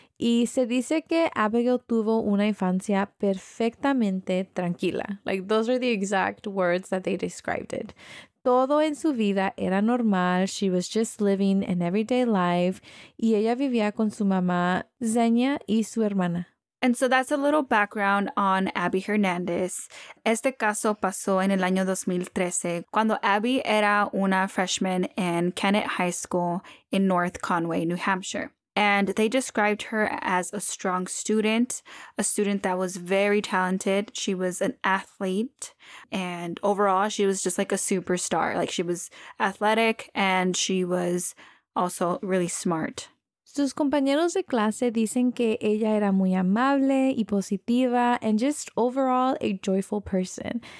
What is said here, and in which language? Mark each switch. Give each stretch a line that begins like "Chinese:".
Spanish: Y se dice que Abigail tuvo una infancia perfectamente tranquila.
English: Like, those are the exact words that they described it.
Spanish: Todo en su vida era normal.
English: She was just living an everyday life.
Spanish: Y ella vivía con su mamá, Zenia, y su hermana.
English: And so that's a little background on Abby Hernandez.
Spanish: Este caso pasó en el año 2013, cuando Abby era una
English: freshman in Kennett High School in North Conway, New Hampshire. And they described her as a strong student, a student that was very talented. She was an athlete. And overall, she was just like a superstar. Like, she was athletic and she was also really smart.
Spanish: Sus compañeros de clase dicen que ella era muy amable y positiva
English: and just overall a joyful person.